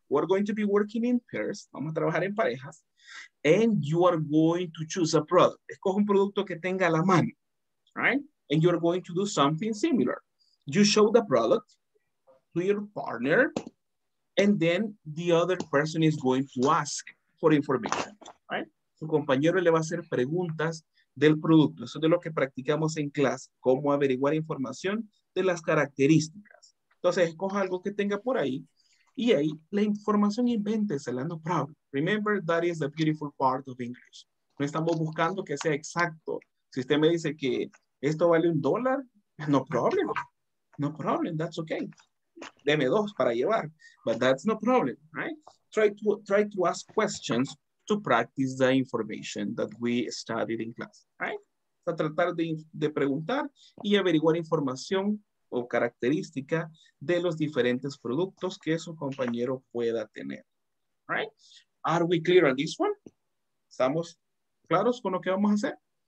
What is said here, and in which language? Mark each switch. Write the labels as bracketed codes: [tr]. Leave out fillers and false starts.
[en] We're going to be working in pairs, [es] vamos a trabajar en parejas, [en] and you are going to choose a product, [es] escoge un producto que tenga a la mano, [en] right? And you're going to do something similar. You show the product to your partner, and then the other person is going to ask for information, right? [es] Su compañero le va a hacer preguntas del producto. Eso es de lo que practicamos en clase, cómo averiguar información de las características. Entonces, escoja algo que tenga por ahí, y ahí la información invéntesela, no problem. [en] Remember, that is the beautiful part of English. [es] No estamos buscando que sea exacto. Si usted me dice que esto vale un dólar, [en] no problem. No problem, that's okay. [es] Deme dos para llevar, [en] but that's no problem, right? Try to ask questions to practice the information that we studied in class, right? [es] So tratar de preguntar y averiguar información o característica de los diferentes productos que su compañero pueda tener, right? [en] Are we clear on this one? [es] ¿Estamos claros con lo que vamos a hacer?